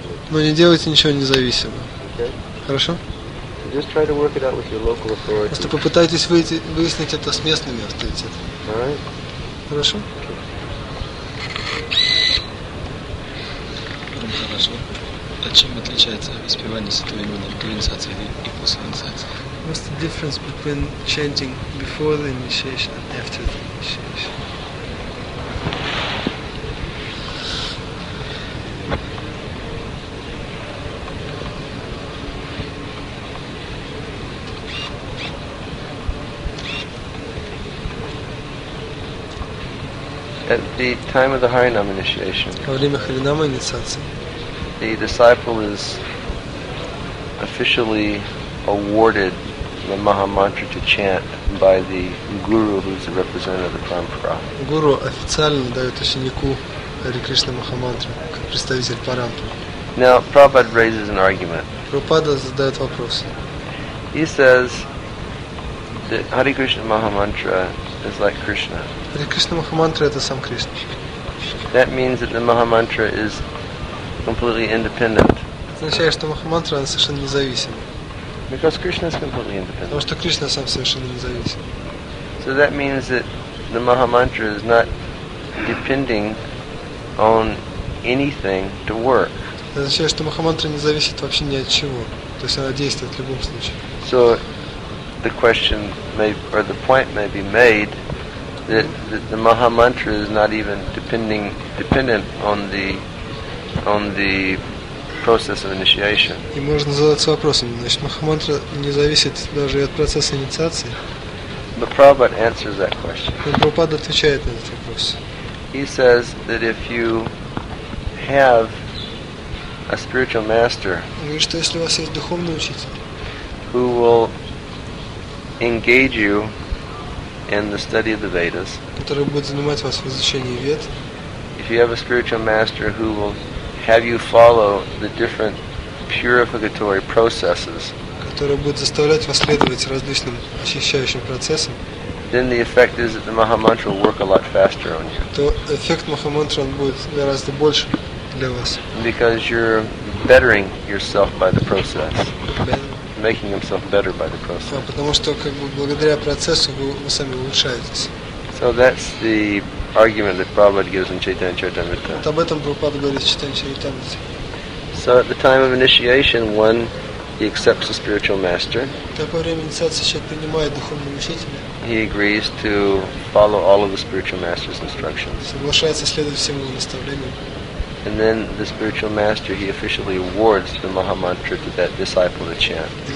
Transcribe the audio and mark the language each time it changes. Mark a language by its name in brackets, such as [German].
[Russian] Но не делайте ничего независимо. Хорошо? Просто попытайтесь выяснить это с местными авторитетами. Хорошо? Хорошо. А чем отличается воспевание святого имени до инициации и после инициации? [English] What's the difference between chanting before the initiation and after the initiation? At the time of the Harinam initiation, the disciple is officially awarded the Maha Mantra to chant by the Guru, who is the representative of the Parampara. [Russian] Guru официально дает ученику Hare Krishna Maha Mantra как представитель Парампары. [English] Now, Prabhupada raises an argument. [Russian] Prabhupada задает вопрос. [English] He says that Hare Krishna Maha Mantra is like Krishna. Hare Krishna Maha Mantra is Sam Krishna. That means that the Maha Mantra is completely independent. [Russian] Это означает, что Маха Мантра совершенно независима. [English] Because Krishna is completely independent. [Russian] Потому что Кришна сам совершенно независим. [English] So that means that the Maha Mantra is not depending on anything to work. [Russian] Это означает, что Маха Мантра не зависит вообще ни от чего. То есть она действует в любом случае. [English] So the question may, or the point may be made, that the Maha Mantra is not even dependent on the process of initiation. [Russian] И можно задаться вопросом, значит, Маха Мантра не зависит даже от процесса инициации? [English] But Prabhupada answers that question. [Russian] Но Прабхупада отвечает на этот вопрос. [English] He says that if you have a spiritual master, [Russian] он говорит, что если у вас есть духовный учитель, [English] who will engage you in the study of the Vedas, [Russian] который будет занимать вас в изучении Вед, [English] if you have a spiritual master who will have you follow the different purificatory processes, [Russian] который будет заставлять вас следовать различным очищающим процессам, [English] then the effect is that the Maha Mantra will work a lot faster on you. [Russian] То эффект Маха Мантры будет гораздо больше для вас. [English] Because you're bettering yourself by the process. Making himself better by the process. [Russian] Потому что как бы благодаря процессу вы сами улучшаетесь. [English] So that's the argument that Prabhupada gives in Chaitanya Charitamrita. [Russian] Вот об этом Прабхупада говорит в Чайтанья Чаритамрите. [English] So at the time of initiation, one, he accepts the spiritual master. [Russian] Во время инициации человек принимает духовного учителя. [English] He agrees to follow all of the spiritual master's instructions. [Russian] Соглашается следовать всем его наставлениям. [English] And then the spiritual master, he officially awards the Mahamantra to that disciple to chant.